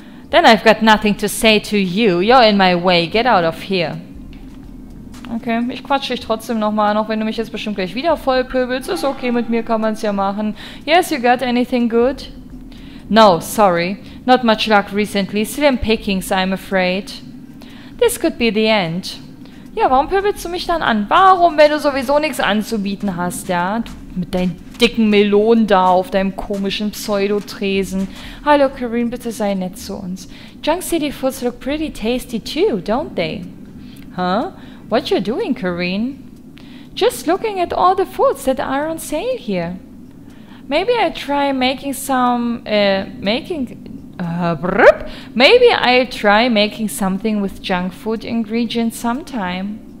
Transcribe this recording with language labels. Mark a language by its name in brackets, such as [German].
[English] Then I've got nothing to say to you. You're in my way. Get out of here. [German] Okay, ich quatsche dich trotzdem nochmal, auch wenn du mich jetzt bestimmt gleich wieder vollpöbelst. Ist okay, mit mir kann man es ja machen. [English] Yes, you got anything good? No, sorry. Not much luck recently. Slim pickings, I'm afraid. This could be the end. [German] Ja, warum pöbelst du mich dann an? Warum, wenn du sowieso nichts anzubieten hast, ja? Du, mit deinen dicken Melonen da auf deinem komischen Pseudotresen. Hallo, Karin, bitte sei nett zu uns. [English] Junk City Foods look pretty tasty too, don't they? Huh? What you doing, Karin? Just looking at all the foods that are on sale here. Maybe I try making something with junk food ingredients sometime.